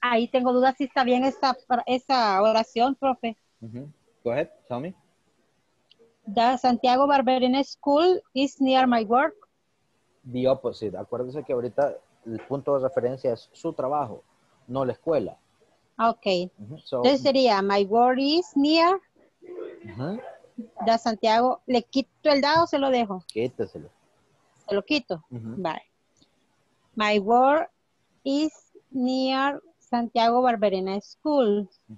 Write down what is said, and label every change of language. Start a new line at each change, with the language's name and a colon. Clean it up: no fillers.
Spanish: Ahí tengo dudas si está bien esa oración, profe.
English: Mm-hmm. Go ahead, tell me. The Santiago Barberena School is near my work. The opposite.
Spanish: Acuérdense que ahorita el punto de referencia es su trabajo, no la escuela.
English: Okay. Mm-hmm. So,
Spanish: entonces sería,
English: my work is near the Santiago.
Spanish: ¿Le quito el dado o se lo dejo? Quíteselo. Se lo quito.
English: Mm-hmm.
Spanish: Vale.
English: My work is near Santiago Barberena School.